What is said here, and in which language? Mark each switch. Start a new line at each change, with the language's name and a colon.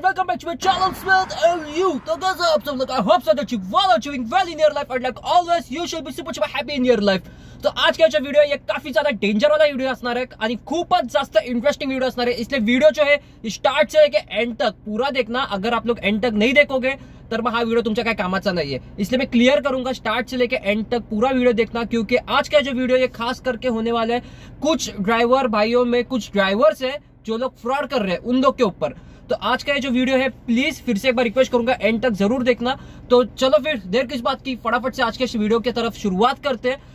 English: match with Charlotte Smith and you. So guys, up to like, I hope so that you all are doing well in your life, and like always, you should be super super happy in your life.
Hindi: तो आज का जो video है ये काफी ज्यादा danger वाला video
Marathi: असणार आहे आणि खूपच जास्त इंटरेस्टिंग वीडियो असणार आहे.
Hindi: इसलिए वीडियो जो है स्टार्ट से लेके एंड तक पूरा देखना. अगर आप लोग एंड तक नहीं देखोगे
Marathi: तर हा वीडियो तुमच्या काय कामाचा नाहीये.
Hindi: इसलिए मैं क्लियर करूंगा, स्टार्ट से लेके एंड तक पूरा वीडियो देखना, क्योंकि आज का जो वीडियो ये खास करके होने वाला है कुछ ड्राइवर भाइयों में, कुछ ड्राइवर्स है जो लोग फ्रॉड कर रहे हैं उन लोग के ऊपर. तो आज का ये जो वीडियो है प्लीज फिर से एक बार रिक्वेस्ट करूंगा एंड तक जरूर देखना. तो चलो फिर देर किस बात की, फटाफट से आज के इस वीडियो की तरफ शुरुआत करते हैं.